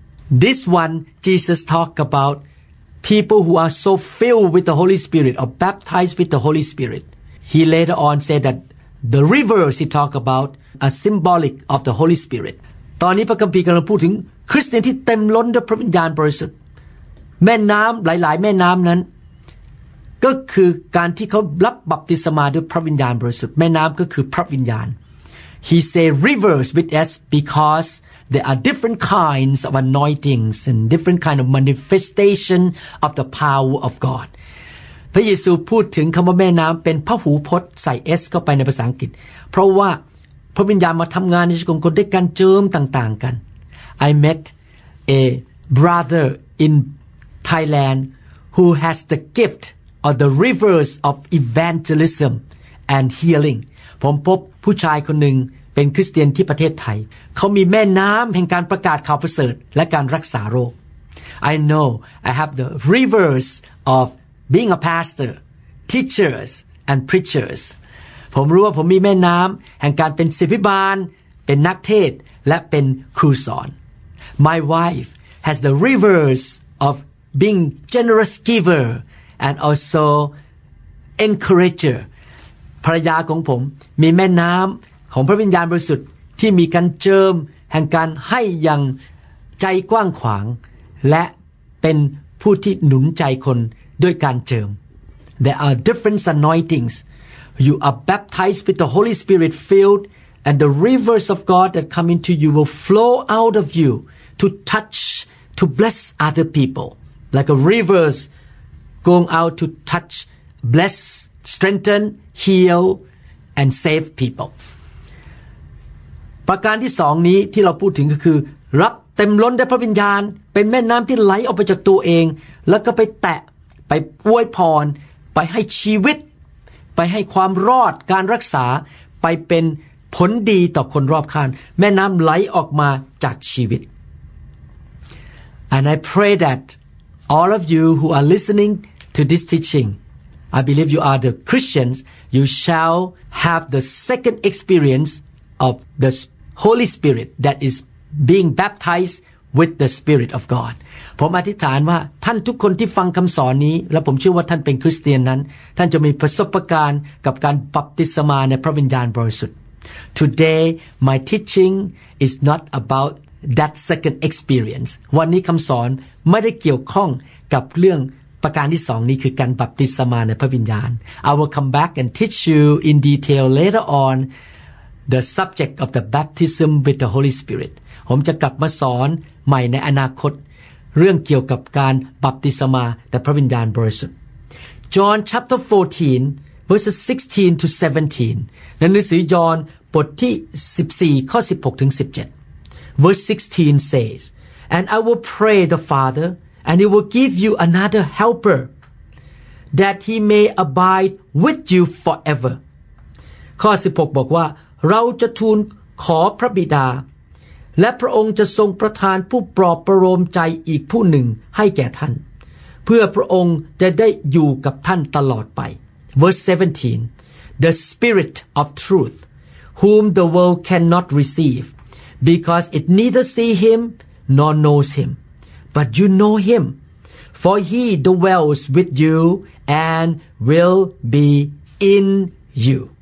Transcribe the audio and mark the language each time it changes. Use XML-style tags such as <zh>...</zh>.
<en>This one Jesus talked about people who are so filled with the Holy Spirit or baptized with the Holy Spirit. He later on said that the rivers he talked about are symbolic of the Holy Spirit.</en> <th>ตอนนี้พระคัมภีร์กำลังพูดถึงคริสเตียนที่เต็มล้นด้วยพระวิญญาณบริสุทธิ์แม่น้ำหลายๆแม่น้ำนั้นก็คือการที่เขารับบัพติศมาด้วยพระวิญญาณบริสุทธิ์แม่น้ำก็คือพระวิญญาณ</th> <en>He said rivers with S becauseThere are different kinds of anointings and different kind of manifestation of the power of God.</en> <th>พระเยซูพูดถึงคำว่าแม่น้ำเป็นพหูพจน์ใส่ S เข้าไปในภาษาอังกฤษเพราะว่าพระวิญญาณมาทำงานในชีวิตคนด้วยการเจิมต่างๆกัน</th> <en>I met a brother in Thailand who has the gift of the rivers of evangelism and healing.</en> <th>ผมพบผู้ชายคนหนึ่งเป็นคริสเตียนที่ประเทศไทยเขามีแม่น้ำแห่งการประกาศข่าวประเสริฐและการรักษาโรค</th> <en>I know I have the rivers of being a pastor, teachers, and preachers.</en> <th>ผมรู้ว่าผมมีแม่น้ำแห่งการเป็นศิษย์ภิบาลเป็นนักเทศและเป็นครูสอน</th> <en>My wife has the rivers of being generous giver and also encourager.</en> <th>ภรรยาของผมมีแม่น้ำของพระวิญญาณบริสุทธิ์ที่มีการเจิมแห่งการให้อย่างใจกว้างขวางและเป็นผู้ที่หนุนใจคนด้วยการเจิม</th> <en>There are different anointings You are baptized with the Holy Spirit filled, and the rivers of God that come into you will flow out of you to touch, to bless other people. Like a rivers going out to touch, bless, strengthen, heal, and save people.</en> <th>ประการที่สองนี้ที่เราพูดถึงก็คือรับเต็มล้นด้วยพระวิญญาณเป็นแม่น้ำที่ไหลออกไปจากตัวเองแล้วก็ไปแตะไปอวยพรไปให้ชีวิตไปให้ความรอดการรักษาไปเป็นผลดีต่อคนรอบข้างแม่น้ำไหลออกมาจากชีวิต</th> <en>And I pray that all of you who are listening to this teaching I believe you are the Christians you shall have the second experienceOf the Holy Spirit that is being baptized with the Spirit of God.</en> <th>ผมอธิษฐานว่าท่านทุกคนที่ฟังคำสอนนี้และผมเชื่อว่าท่านเป็นคริสเตียนนั้นท่านจะมีประสบการณ์กับการบัพติศมาในพระวิญญาณบริสุทธิ์</th> <en>Today my teaching is not about that second experience.</en> <th>วันนี้คำสอนไม่ได้เกี่ยวข้องกับเรื่องประการที่สองนี้คือการบัพติศมาในพระวิญญาณ</th> <en>I will come back and teach you in detail later onThe subject of the baptism with the Holy Spirit.</en> <th>ผมจะกลับมาสอนใหม่ในอนาคตเรื่องเกี่ยวกับการบัพติศมาและพระวิญญาณบริสุทธิ์</th> <en>John chapter 14 verses 16 to 17.</en> <th>ในหนังสือยอห์นบทที่14ข้อ16ถึง17.</th> <en>Verse 16 says, And I will pray the Father, and He will give you another Helper, that He may abide with you forever.</en> <th>ข้อ16บอกว่าเราจะทูลขอพระบิดาและพระองค์จะทรงประทานผู้ปลอบประโลมใจอีกผู้หนึ่งให้แก่ท่านเพื่อพระองค์จะได้อยู่กับท่านตลอดไป</th> <en>Verse 17 The Spirit of Truth whom the world cannot receive because it neither see him nor knows him but you know him for he dwells with you and will be in you</en>